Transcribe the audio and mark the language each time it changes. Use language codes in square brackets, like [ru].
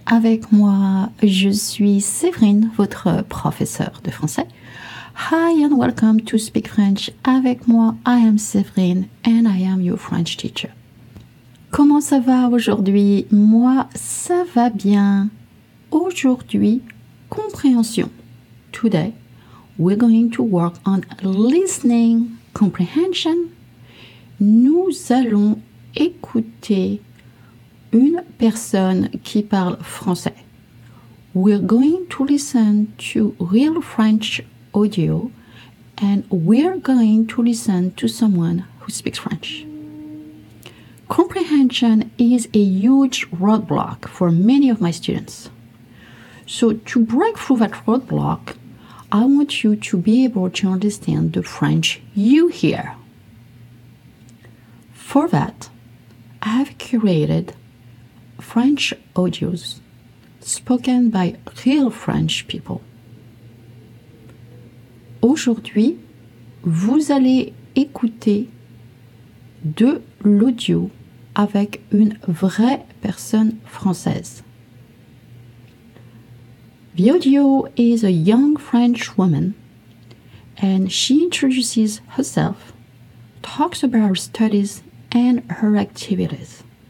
[fr] Avec moi, je suis Séverine, votre professeure de français. [en] Hi and welcome to Speak French. [fr] Avec moi, [en] I am Séverine and I am your French teacher. [fr] Comment ça va aujourd'hui? Moi, ça va bien. Aujourd'hui, compréhension. [en] Today, we're going to work on listening comprehension. [fr] Nous allons écouter une personne qui parle français. [en] We're going to listen to real French audio and we're going to listen to someone who speaks French. Comprehension is a huge roadblock for many of my students. So to break through that roadblock, I want you to be able to understand the French you hear. For that, I have curated French audios spoken by real French people. [fr] Aujourd'hui, vous allez écouter de l'audio avec une vraie personne française. [en] The audio is a young French woman and she introduces herself, talks about her studies and her activities.